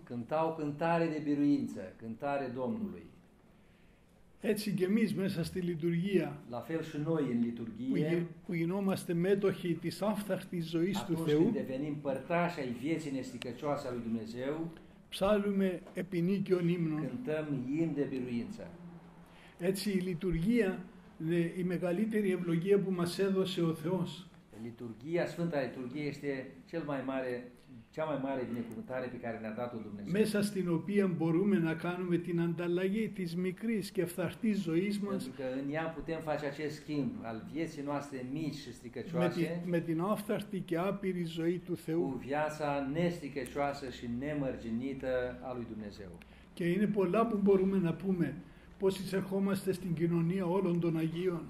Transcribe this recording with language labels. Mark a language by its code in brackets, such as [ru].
[ro] Cântau cântare de biruință, cântare Domnului. [el] Έτσι και εμείς μέσα στη λειτουργία, [ro] la fel și noi în liturghie, [el] που γινόμαστε μέτοχοι της άφθαρτης ζωής του Θεού, [ro] când devenim părtași ai vieții nesticăcioase a lui Dumnezeu, [el] ψάλλουμε επί νίκιον ύμνων. [ro] Cântăm ύμν de biruință. [el] Έτσι η λειτουργία είναι η μεγαλύτερη ευλογία που μας έδωσε ο Θεός. [ro] Liturghia, Sfânta Liturghie este cel mai mare, cea mai mare binecuvântare pe care ne-a dat-o Dumnezeu. [el] Mesa στην οποία μπορούμε να κάνουμε την ανταλλαγή της μικρής και φθαρτής ζωής μας. [ro] Pentru că în ea putem face acest schimb al vieții noastre mici și stricăcioase. [el] Με την άφθαρτη και άπειρη ζωή του Θεού. [ro] Cu viața nestricăcioasă și nemărginită a lui Dumnezeu. [el] Και είναι πολλά που μπορούμε να πούμε. Πώς εισερχόμαστε στην κοινωνία όλων των Αγίων.